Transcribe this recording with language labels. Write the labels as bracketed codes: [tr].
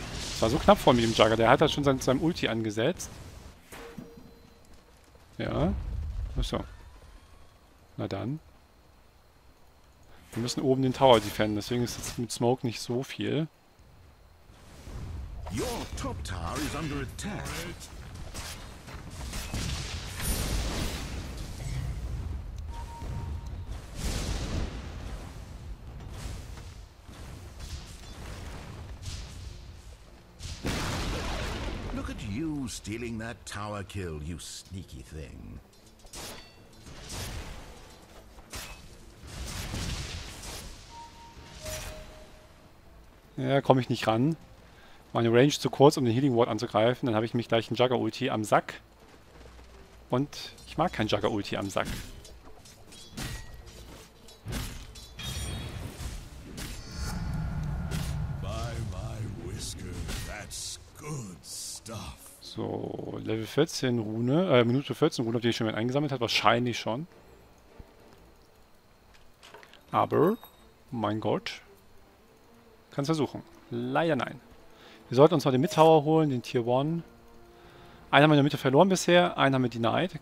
[de] Das war so knapp vor mir, dem Jugger. Der hat das schon seinem Ulti angesetzt. Ja. Achso. Na dann. Wir müssen oben den Tower defenden, deswegen ist jetzt mit Smoke nicht so viel. [en] Your top tower is under attack. Look at you stealing that tower kill, you sneaky thing. [de] Ja, komme ich nicht ran. Meine Range zu kurz, um den Healing Ward anzugreifen. Dann habe ich mich gleich einen Jugger-Ulti am Sack. Und ich mag keinen Jugger-Ulti am Sack. [en] By my whisker, that's good stuff. [de] So, Level 14 Rune. Minute 14 Rune, ob die ich schon mal eingesammelt hat. Wahrscheinlich schon. Aber, mein Gott. Kannst versuchen. Leider nein. Wir sollten uns mal den Mid-Tower holen, den Tier 1. Einen haben wir in der Mitte verloren bisher, einen haben wir denied.